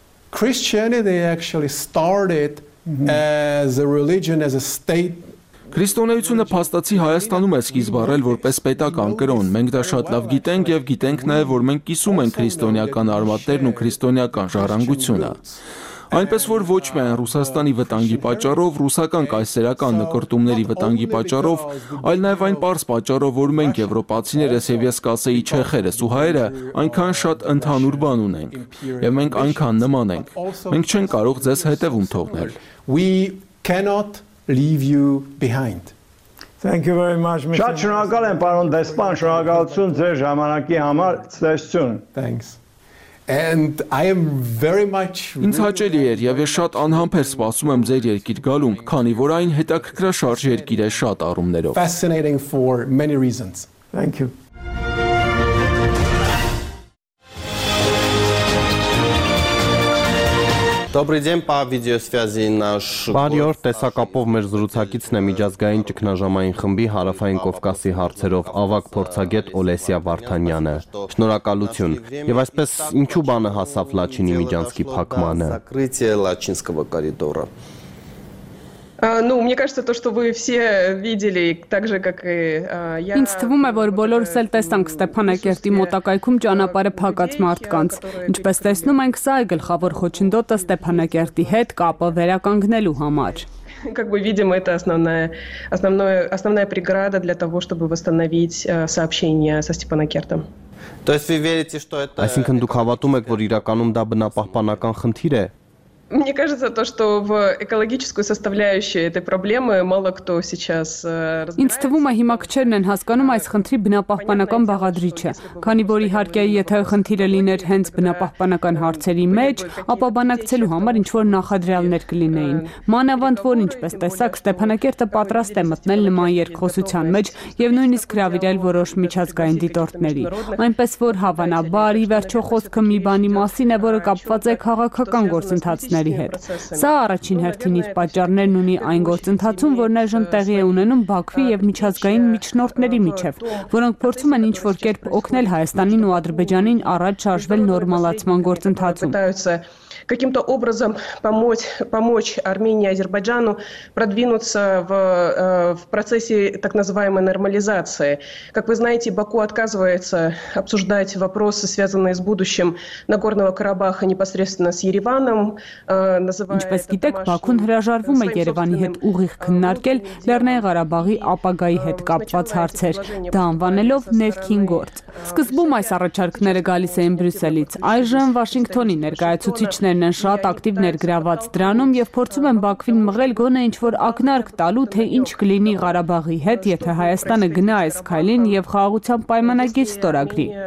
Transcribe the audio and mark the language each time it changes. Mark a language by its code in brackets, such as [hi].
[en] Christianity actually started as a religion, as a state. [hy] Քրիստոնեությունը փաստացի Հայաստանում է սկիզբ առել որպես պետական կրոն։ Մենք դա շատ լավ գիտենք եւ գիտենք նաեւ, որ մենք կիսում ենք քրիստոնեական արմատներն ու քրիստոնեական ժառանգությունը։ Այնպես որ ոչ միայն Ռուսաստանի վտանգի պատճառով, ռուսական կայսերական նկարտումների վտանգի պատճառով, այլ նաև այն պարզ պատճառով, որ մենք եվրոպացիներս եւ ես կասեի չեխերս ու հայերը այնքան շատ ընդհանուր բան ունենք եւ մենք այնքան նման ենք, մենք չենք կարող ձեզ հետևում թողնել։ [en] We cannot leave you behind. Thank you very much, Mr. [hy] Շատ շնորհակալ եմ, պարոն Դեսպան, շնորհակալություն ձեր ժամանակի համար, ցտեսություն. [en] Thanks. And I am very much [hy] Ինձ հաճելի էր եւ ես շատ անհամբեր սպասում եմ ձեր երկիր գալուն, քանի որ այն հետաքրքրաշարժ երկիր է շատ առումներով. [en] Fascinating for many reasons. Thank you. [ru] Добрый день, по видеосвязи наш [hy] Բարիօր, տեսակապով մեր զրուցակիցն է միջազգային ճգնաժամային խմբի հարավային Կովկասի հարցերով ավակ փորձագետ Օլեսիա Վարդանյանը։ Շնորհակալություն։ Եվ այսպես ինչու բանը հասավ Լաչինի միջանցքի փակմանը։ [ru] Закрытие Лачинского коридора. Ну, мне кажется, то, что вы все видели, так же как и я. [hy] Ինձ թվում է, որ բոլորս էլ տեսանք Ստեփանակերտի մոտակայքում ճանապարհը փակած մարդկանց։ Ինչպես տեսնում ենք, սա է գլխավոր խոչընդոտը Ստեփանակերտի հետ կապը վերականգնելու համար։ [ru] Как бы видим, это основная преграда для того, чтобы восстановить сообщение со Степанакертом. То есть вы верите, что это [hy] Այսինքն դուք հավատում եք, որ իրականում դա բնապահպանական խնդիր է։ [ru] Мне кажется, то, что в экологическую составляющую этой проблемы мало кто сейчас разбирается. [hy] Ինձ թվում է, հիմա քչերն են հասկանում այս խնդրի բնապահպանական բաղադրիչը, քանի որ իհարկե, եթե խնդիրը լիներ հենց բնապահպանական հարցերի մեջ, ապա բանակցելու համար ինչ-որ նախադրյալներ կլինեին։ Մանավանդ որ, ինչպես տեսակ, Ստեփանակերտը պատրաստ է մտնել նման երկխոսության մեջ եւ նույնիսկ հրավիրել որոշ միջազգային դիտորդների։ Այնպես որ, հավանաբար, ի վերջո խոսքը մի բանի մասին է, որը կապված է քաղաքական գործընթացի ների հետ։ Սա առաջին հերթին իր պատճառներն ունի այն գործընթացում, որն այժմ տեղի է ունենում Բաքվի եւ միջազգային միջնորդների միջև, որոնք փորձում են ինչ որ կերպ օգնել Հայաստանին ու Ադրբեջանին առաջ շարժվել նորմալացման գործընթացում։ [ru] Каким-то образом помочь Армении и Азербайджану продвинуться в процессе так называемой нормализации. Как вы знаете, Баку отказывается обсуждать вопросы, связанные с будущим Нагорного Карабаха непосредственно с Ереваном, называя [hy] Ինչպես գիտեք, Բաքուն հրաժարվում է Երևանի հետ ուղիղ քննարկել Լեռնային Ղարաբաղի ապագայի հետ կապված հարցեր, դա անվանելով ներքին գործ։ Սկզբում այս առաջարկները գալիս էին Բրյուսելից, այժմ Վաշինգտոնի ներկայացուցիչ նրան շատ ակտիվ ներգրաված դրանում եւ փորձում են Բաքվին մղել գոնե ինչ որ ակնարկ տալու թե ինչ կլինի Ղարաբաղի հետ եթե Հայաստանը գնա այս քայլին եւ խաղաղության պայմանագիր ստորագրի։